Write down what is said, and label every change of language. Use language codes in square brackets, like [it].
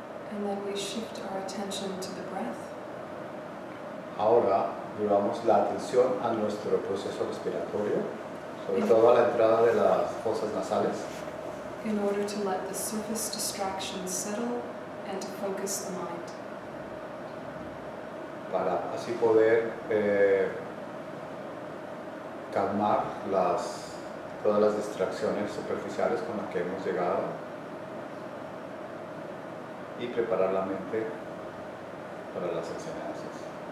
[en] And then we shift our attention to the breath. [es] Ahora llevamos la atención a nuestro proceso respiratorio, sobre todo a la entrada de las fosas nasales. [en] In order to let the surface distractions settle and to focus the mind. [es] Para así poder calmar todas las distracciones superficiales con las que hemos llegado y preparar la mente para las enseñanzas.